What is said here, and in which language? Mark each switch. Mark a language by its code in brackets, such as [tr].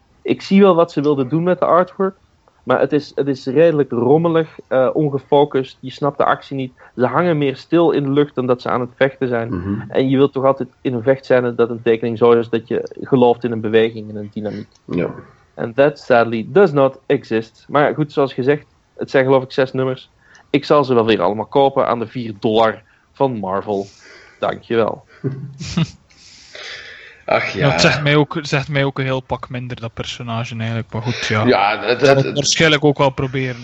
[nl] Ik zie wel wat ze wilden doen met de artwork. Maar het is redelijk rommelig, ongefocust. Je snapt de actie niet. Ze hangen meer stil in de lucht dan dat ze aan het vechten zijn. Mm-hmm. En je wilt toch altijd in een vecht zijn dat een tekening zo is dat je gelooft in een beweging, in een dynamiek. Ja. [en] And that sadly does not exist. [nl] Maar goed, zoals gezegd, het zijn geloof ik 6 nummers. Ik zal ze wel weer allemaal kopen aan de $4 van Marvel. Dankjewel. Ach ja. Dat zegt mij ook een heel pak minder, dat personage eigenlijk. Maar goed, ja. Ja, dat waarschijnlijk ook wel proberen.